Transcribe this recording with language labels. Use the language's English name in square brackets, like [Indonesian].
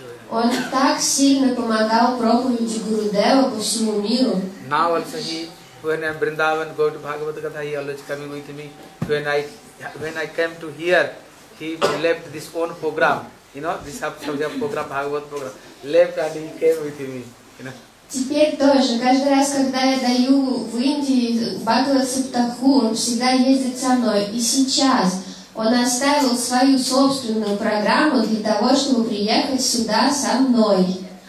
[Russian] Он так сильно помогал проповеди Гурудева по всему миру. [English] When I Vrindavan go to Bhagavad Gita, he always coming with me. When I came to here, he left this own program, you know, this Sabda program, Bhagavad program, left and he came with me, you know. [Russian] Теперь тоже, каждый раз, когда я даю в Индии Бхагавад Саптаху, он всегда ездит со мной. И сейчас он оставил свою собственную программу для того, чтобы приехать сюда со мной.